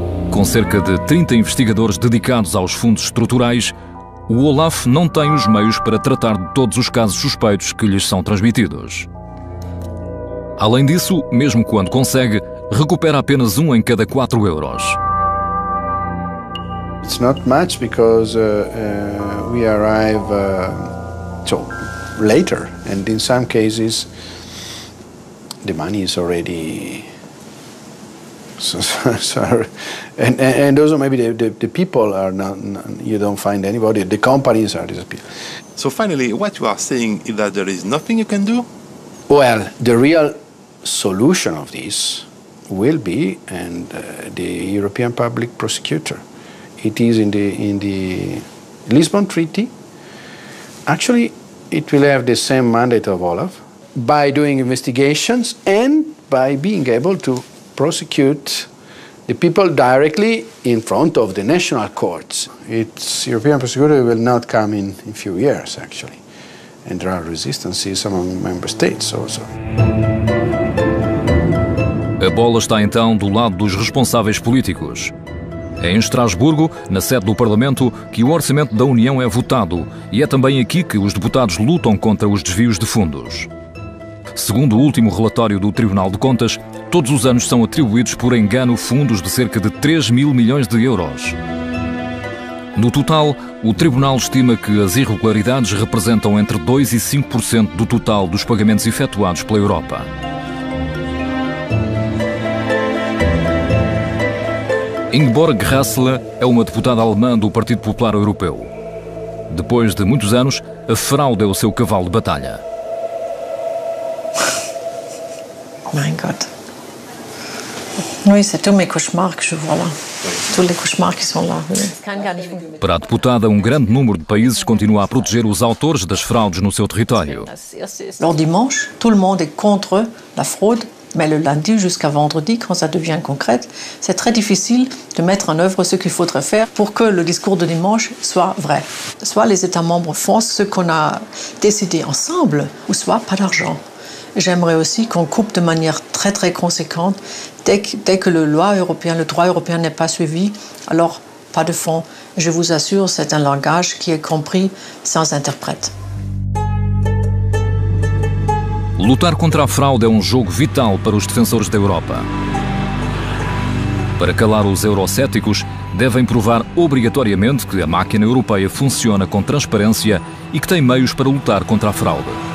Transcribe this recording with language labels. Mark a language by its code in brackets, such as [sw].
[pt] Com cerca de 30 investigadores dedicados aos fundos estruturais, o OLAF não tem os meios para tratar de todos os casos suspeitos que lhes são transmitidos. Além disso, mesmo quando consegue, recupera apenas um em cada 4 euros. [en] It's not much because we arrive so later, and in some cases the money is already and also maybe the people are not, you don't find anybody, the companies are disappeared. So finally, what you are saying is that there is nothing you can do? Well, the real solution of this will be the European Public Prosecutor. It is in the Lisbon Treaty. Actually, it will have the same mandate of OLAF by doing investigations and by being able to prosecute the people directly in front of the national courts. Its European prosecutor will not come in a few years, actually. And there are resistances among member states also. [pt] A bola está então do lado dos responsáveis políticos. É em Estrasburgo, na sede do Parlamento, que o Orçamento da União é votado e é também aqui que os deputados lutam contra os desvios de fundos. Segundo o último relatório do Tribunal de Contas, todos os anos são atribuídos por engano fundos de cerca de 3 mil milhões de euros. No total, o Tribunal estima que as irregularidades representam entre 2% e 5% do total dos pagamentos efetuados pela Europa. Ingeborg Rassler é uma deputada alemã do Partido Popular Europeu. Depois de muitos anos, a fraude é o seu cavalo de batalha. [de] Mein Gott. [fr] Oui, c'est tous mes cauchemars que je vois là. Tous les cauchemars qui sont là. [pt] Para a deputada, um grande número de países continua a proteger os autores das fraudes no seu território. [fr] No dimanche, tout le monde est contre la fraude. Mais le lundi jusqu'à vendredi, quand ça devient concret, c'est très difficile de mettre en œuvre ce qu'il faudrait faire pour que le discours de dimanche soit vrai. Soit les États membres font ce qu'on a décidé ensemble, ou soit pas d'argent. J'aimerais aussi qu'on coupe de manière très très conséquente dès que le droit européen n'est pas suivi, alors pas de fonds. Je vous assure, c'est un langage qui est compris sans interprète. [pt] Lutar contra a fraude é um jogo vital para os defensores da Europa. Para calar os eurocéticos, devem provar obrigatoriamente que a máquina europeia funciona com transparência e que tem meios para lutar contra a fraude.